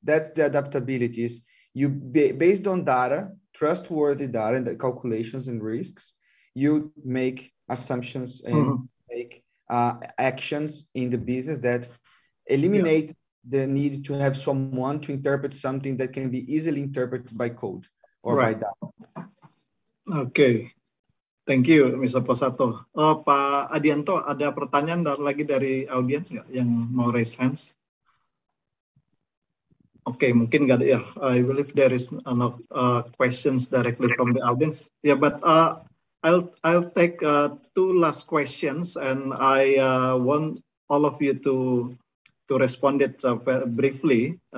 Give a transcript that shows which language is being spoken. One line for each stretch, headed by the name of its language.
English: That's the adaptability. Is you based on data, trustworthy data, and the calculations and risks, you make assumptions and mm-hmm. make actions in the business that eliminate the need to have someone to interpret something that can be easily interpreted by code or by DAO. Okay. Thank you, Mr. Posato.
Indonesian: Pak Adianto, ada pertanyaan lagi dari audience nggak yang mau
English: raise hands?
Indonesian: Okay, mungkin nggak ada.
English: Yeah, I believe there is no questions directly from the audience. Yeah, but I'll take two last questions, and I want all of you to respond it very briefly.